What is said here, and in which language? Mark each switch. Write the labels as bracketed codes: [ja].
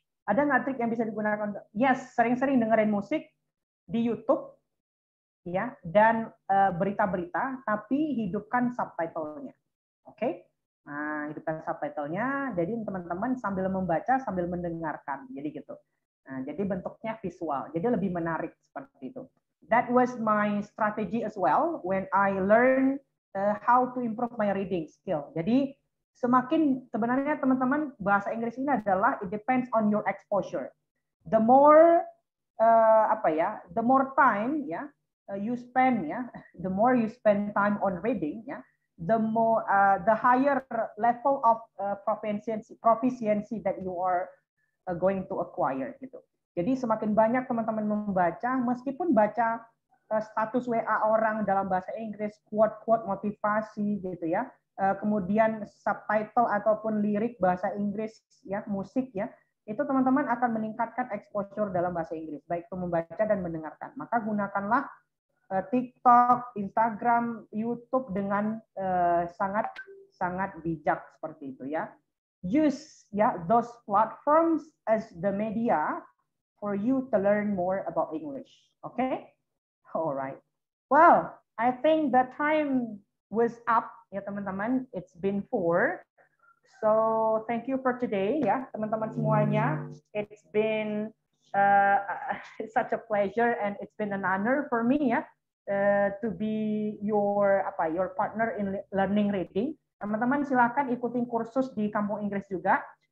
[id] Ada nggak trik yang bisa digunakan? Yes, sering-sering dengerin musik di YouTube. Ya, dan berita-berita, tapi hidupkan subtitle-nya. Oke? Okay? Nah, hidupkan subtitle-nya. Jadi teman-teman sambil membaca, sambil mendengarkan. Jadi gitu. Nah, jadi bentuknya visual. Jadi lebih menarik seperti itu. [en] That was my strategy as well when I learn how to improve my reading skill. [id] Jadi semakin sebenarnya teman-teman bahasa Inggris ini adalah [en] it depends on your exposure. The more the more time, ya. Yeah, you spend ya, yeah, the more you spend time on reading ya, yeah, the more the higher level of proficiency that you are going to acquire [id] gitu. Jadi semakin banyak teman-teman membaca, meskipun baca status WA orang dalam bahasa Inggris, quote-quote motivasi gitu ya, kemudian subtitle ataupun lirik bahasa Inggris ya, yeah, musik ya, yeah, itu teman-teman akan meningkatkan exposure dalam bahasa Inggris, baik itu membaca dan mendengarkan. Maka gunakanlah TikTok, Instagram, YouTube dengan sangat-sangat bijak seperti itu ya. [en] Use ya those platforms as the media for you to learn more about English. Okay? Alright. Well, I think the time was up [id] ya teman-teman. [en] It's been 4. So thank you for today [id] ya teman-teman semuanya. [en] It's been such a pleasure and it's been an honor for me ya. To be your partner in learning reading. [id] Teman-teman silakan ikutin kursus di Kampung Inggris juga.